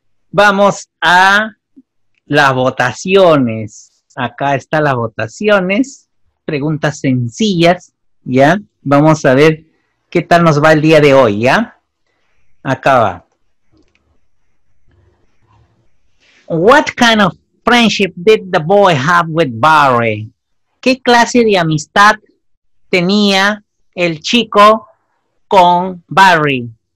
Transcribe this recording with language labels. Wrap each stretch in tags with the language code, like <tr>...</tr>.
<es>Vamos a las votaciones. Acá están las votaciones. Preguntas sencillas. ¿Ya? Vamos a ver qué tal nos va el día de hoy, ¿ya? Acaba.</es> <en>What kind of friendship did the boy have with Barry?</en> <es>¿Qué clase de amistad tenía el chico con Barry?</es>